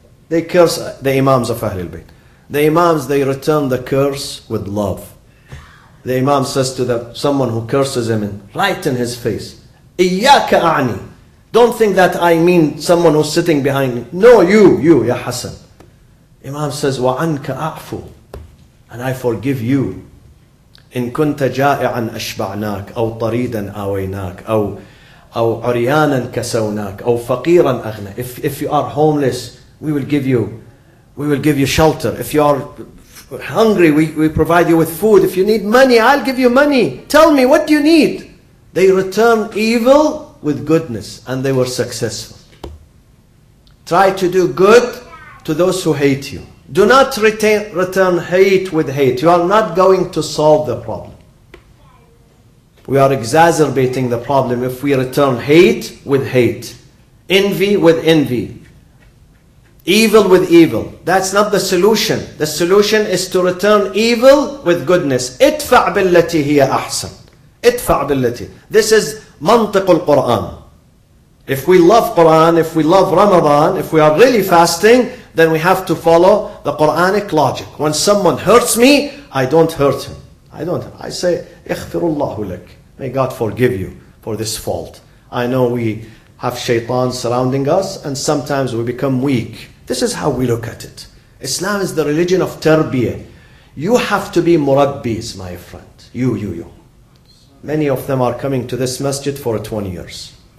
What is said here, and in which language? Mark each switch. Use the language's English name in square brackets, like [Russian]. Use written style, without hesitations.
[English] They curse the Imams of Ahlul Bayt. The Imams, they return the curse with love. The Imam says to someone who curses him, right in his face, [Arabic] إِيَّاكَ أَعْنِي. [English] Don't think that I mean someone who's sitting behind me. No, you, Ya Hassan. Imam says, [Arabic] وَعَنْكَ أَعْفُ. [English] And I forgive you. [Arabic] إِن كُنْتَ جَائِعًا أَشْبَعْنَاكَ أَوْ طَرِيدًا آوَيْنَاكَ أَوْ عُرْيَانًا كَسَوْنَاكَ أَوْ فَقِيرًا أَغْنَى. [English] If you are homeless, we will give you shelter. If you are hungry, we provide you with food. If you need money, I'll give you money. Tell me, what do you need? They return evil with goodness, and they were successful. Try to do good to those who hate you. Do not return hate with hate. You are not going to solve the problem. We are exacerbating the problem if we return hate with hate, envy with envy, evil with evil. That's not the solution. The solution is to return evil with goodness. [Arabic] اِدْفَعْ بِالَّتِي هِيَ أَحْسَنْ. اِدْفَعْ بِالَّتِي. [English] This is [Arabic] منطق القرآن. [English] If we love Quran, if we love Ramadan, if we are really fasting, then we have to follow the Quranic logic. When someone hurts me, I don't hurt him. I say, [Arabic] اِخْفِرُ اللَّهُ لَكْ. [English] May God forgive you for this fault. I know we have shaitan surrounding us, and sometimes we become weak. This is how we look at it. Islam is the religion of tarbiyah. You have to be murabbis, my friend. You. Many of them are coming to this masjid for 20 years.